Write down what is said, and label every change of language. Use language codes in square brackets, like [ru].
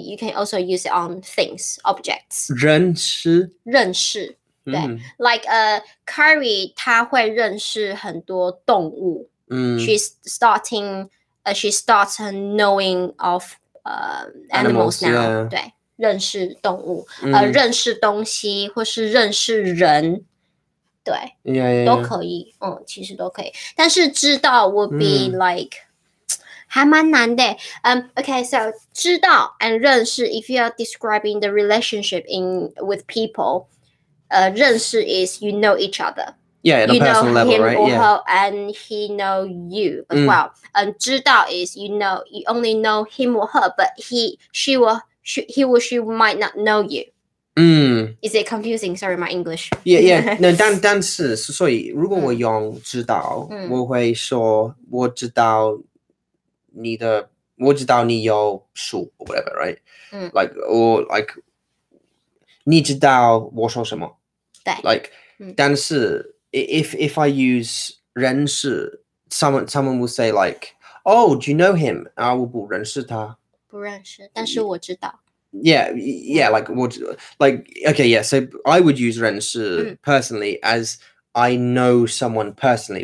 [en] You can also use it on things, objects. [zh] 认识对, [en] like a curry [zh] 他会认识很多动物. [en] She's starting, she starts her knowing of animals now. Yeah. [zh] 对，认识动物，认识东西，或是认识人。对， [en] yeah, yeah, yeah. [zh] 都可以，嗯，其实都可以。但是知道 [en] would be like, [zh] 还蛮难的。 [en] Okay, so 知道 and 认识 if you are describing the relationship in, with people, 认识 is you know each other. Yeah, you know level, him right? or yeah. her and he know you as well. 知道 is you know, you only know him or her, but he or she might not know you. Is it confusing? Sorry, my English. Yeah, yeah. [zh] No, 但是，所以如果我用知道，我会说我知道你的，我知道你有数 [en] or whatever, right? [zh] Like, or like, 你知道我说什么？对。 [en] Like, 但是 if I use 认识 someone will say like, oh, do you know him? [zh] 啊，我不认识他。不认识，但是我知道。 [en] Yeah, like, what, like, okay, yeah, so I would use 认识personally as I know someone personally.